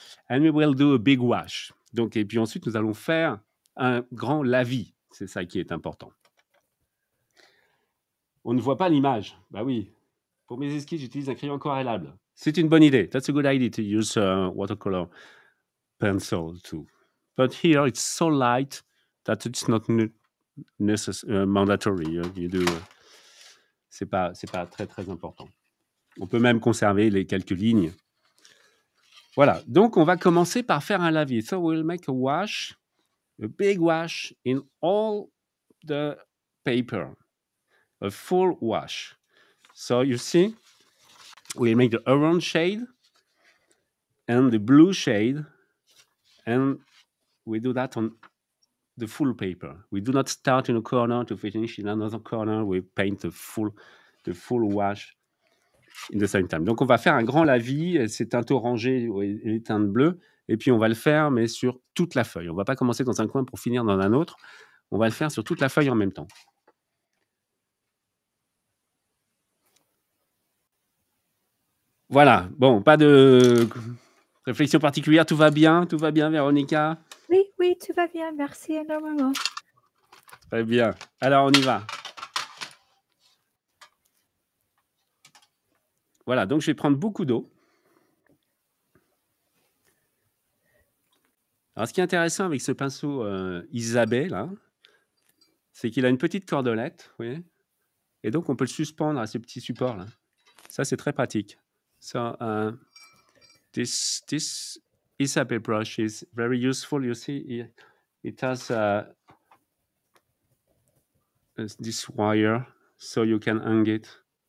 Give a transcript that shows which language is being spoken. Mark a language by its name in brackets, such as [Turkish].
[English] And we will do a big wash. [French] Donc, et puis ensuite, nous allons faire un grand lavis. C'est ça qui est important. On ne voit pas l'image. Bah oui. Pour mes esquisses, j'utilise un crayon aquarellable. C'est une bonne idée. [English] That's a good idea to use a watercolor pencil too. But here it's so light that it's not mandatory. [French] C'est pas très très important. On peut même conserver les quelques lignes. Voilà. Donc on va commencer par faire un lavis. [English] So we'll make a wash, a big wash in all the paper. A full wash. So you see, we make the orange shade and the blue shade, and we do that on the full paper. We do not start in a corner to finish in another corner. We paint the full wash in the same time. [French] Donc on va faire un grand lavis. C'est teinte orangé et les teintes bleues. Et puis on va le faire, mais sur toute la feuille. On ne va pas commencer dans un coin pour finir dans un autre. On va le faire sur toute la feuille en même temps. Voilà, bon, pas de réflexion particulière, tout va bien, Véronica ? Oui, oui, tout va bien, merci énormément. Très bien, alors on y va. Voilà, donc je vais prendre beaucoup d'eau. Alors, ce qui est intéressant avec ce pinceau Isabelle, hein, c'est qu'il a une petite cordelette, vous voyez ? Et donc, on peut le suspendre à ce petit support-là. Ça, c'est très pratique. [English] So, this Isabelle brush is very useful. You see, it has this wire, so you can hang it.